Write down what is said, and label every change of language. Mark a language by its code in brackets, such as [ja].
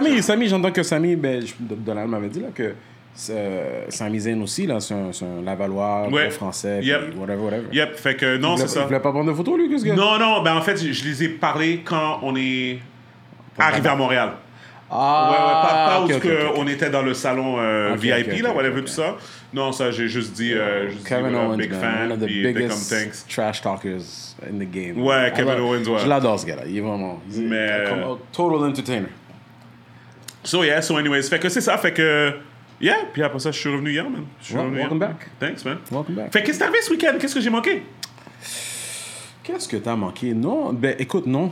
[fr] Mais Sami, j'entends que Sami, Donald m'avait dit là que Sami Zayn aussi là, c'est un Lavalois, ouais. Français, yep. whatever. Yep, fait que non, c'est ça. Il voulait pas prendre de photos, lui, qu'est-ce que... Non, ben en fait, je les ai parlé quand on est arrivé à Montréal. Ah, ouais, on était dans le salon VIP, là, whatever, tout ça. Non, ça, j'ai juste dit, [en] Kevin Owens, big fan, one of the biggest trash talkers in the game. [fr] Ouais, Kevin Owens, ouais. Je l'adore, ce gars-là, il est vraiment... [en] total entertainer. So anyways, [fr] fait que c'est ça, fait que... Yeah, puis après ça, je suis revenu hier, man. [en] Welcome back. Thanks, man. Welcome back. [fr] Fait qu'est-ce que t'as fait ce week-end? Qu'est-ce que j'ai manqué? Qu'est-ce que t'as manqué? Non, ben écoute, non.